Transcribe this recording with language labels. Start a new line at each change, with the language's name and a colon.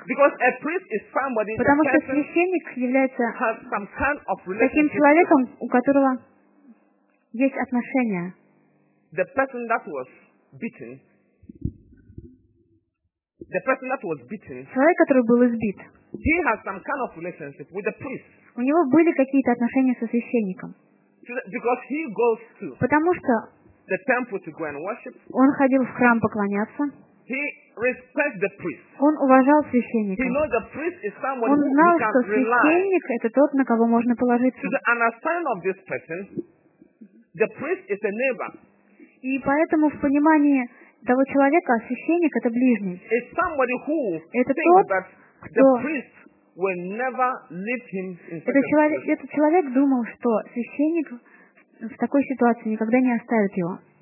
English: Because a priest is somebody.
Russian: Потому что священник является
English: some kind of
Russian: таким человеком, у которого есть отношения.
English: The person that was beaten. The person that was beaten.
Russian: Человек, который был избит.
English: He has some kind of relationship with the priest.
Russian: У него были какие-то отношения со священником.
English: Because he goes to.
Russian: Потому что.
English: The temple to go and worship.
Russian: Он ходил в храм поклоняться.
English: He respects the priest.
Russian: Он уважал священника.
English: He knows the priest is someone who can
Russian: Он знал, что священник
English: rely.
Russian: Это тот, на кого можно положиться.
English: To the understanding of this person, the priest is a neighbor.
Russian: И поэтому в понимании того человека священник это ближний.
English: It's somebody who
Russian: это тот,
English: that
Russian: кто
English: the priest will never leave him in
Russian: этот человек. Этот человек думал, что священник в такой ситуации никогда не оставит его.